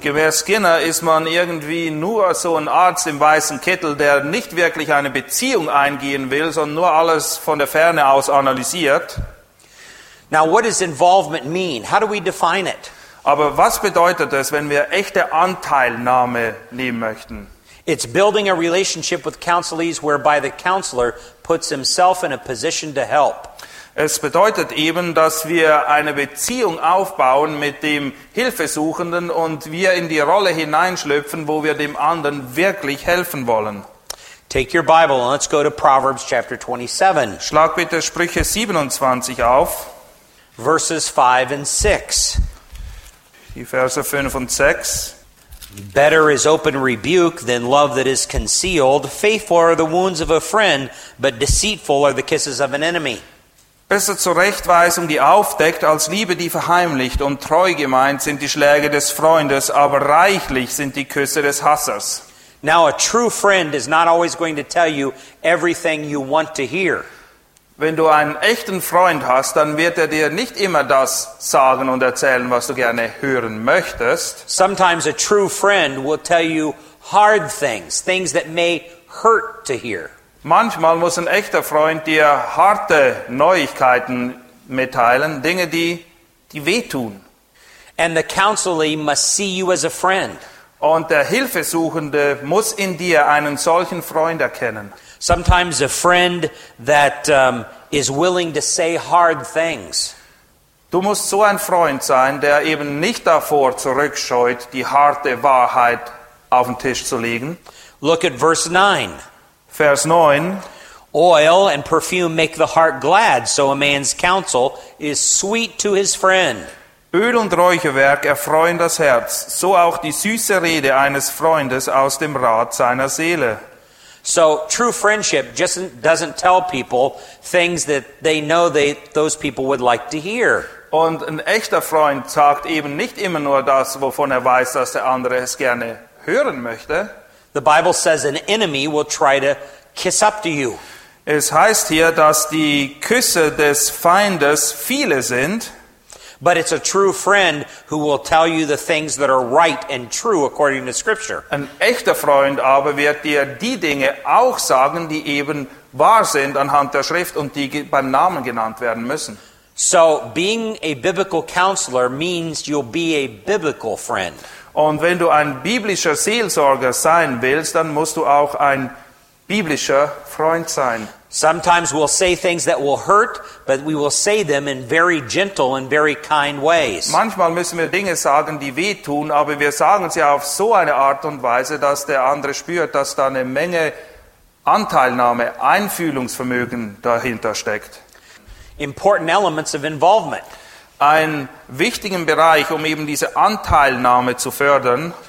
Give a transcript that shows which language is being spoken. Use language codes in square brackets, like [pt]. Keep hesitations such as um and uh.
[de] Gemäß Skinner ist man irgendwie nur so ein Arzt im weißen Kittel, der nicht wirklich eine Beziehung eingehen will, sondern nur alles von der Ferne aus analysiert. [en] Now, what does involvement mean? How do we define it? [de] Aber was bedeutet das, wenn wir echte Anteilnahme nehmen möchten? [en] It's building a relationship with counselees whereby the counselor puts himself in a position to help. [de] Es bedeutet eben, dass wir eine Beziehung aufbauen mit dem Hilfesuchenden und wir in die Rolle hineinschlüpfen, wo wir dem anderen wirklich helfen wollen. [en] Take your Bible and let's go to Proverbs chapter 27. [de] Schlag bitte Sprüche 27 auf. [en] Verses 5 and 6. [de] Die Verse 5 und 6. [en] Better is open rebuke than love that is concealed. Faithful are the wounds of a friend, but deceitful are the kisses of an enemy. [de] Besser zur Rechtweisung, die aufdeckt, als Liebe, die verheimlicht. Und treu gemeint sind die Schläge des Freundes, aber reichlich sind die Küsse des Hassers. [en] Now a true friend is not always going to tell you everything you want to hear. [de] Wenn du einen echten Freund hast, dann wird er dir nicht immer das sagen und erzählen, was du gerne hören möchtest. [en] Sometimes a true friend will tell you hard things, things that may hurt to hear. [de] Manchmal muss ein echter Freund dir harte Neuigkeiten mitteilen, Dinge, die die wehtun. [en] And the counselee must see you as a friend. [de] Und der Hilfesuchende muss in dir einen solchen Freund erkennen. [en] Sometimes a friend that um, is willing to say hard things. [de] Du musst so ein Freund sein, der eben nicht davor zurückscheut, die harte Wahrheit auf den Tisch zu legen. [en] Look at verse 9. Verse 9. Oil and perfume make the heart glad, so a man's counsel is sweet to his friend. [de] Öl und Räucherwerk erfreuen das Herz, so auch die süße Rede eines Freundes aus dem Rat seiner Seele. [en] So true friendship just doesn't tell people things that they know they, those people would like to hear. [de] Und ein echter Freund sagt eben nicht immer nur das, wovon er weiß, dass der andere es gerne hören möchte. [en] The Bible says an enemy will try to kiss up to you. [de] Es heißt hier, dass die Küsse des Feindes viele sind [en] but it's a true friend who will tell you the things that are right and true according to scripture. [de] Ein echter Freund aber wird die Dinge auch sagen, die eben wahr sind anhand der Schrift und die beim Namen genannt werden müssen. [en] So being a biblical counselor means you'll be a biblical friend. [de] And wenn du ein biblischer Seelsorger sein willst, dann musst du auch ein biblischer Freund sein. [en] Sometimes we'll say things that will hurt, but we will say them in very gentle and very kind ways. [de] Manchmal müssen wir Dinge sagen, die wehtun, aber wir sagen sie auf so eine Art und Weise, dass der andere spürt, dass da eine Menge Anteilnahme, Einfühlungsvermögen dahinter steckt. [en] Important elements of involvement. [de] Ein wichtigen Bereich, um eben diese Anteilnahme zu fördern.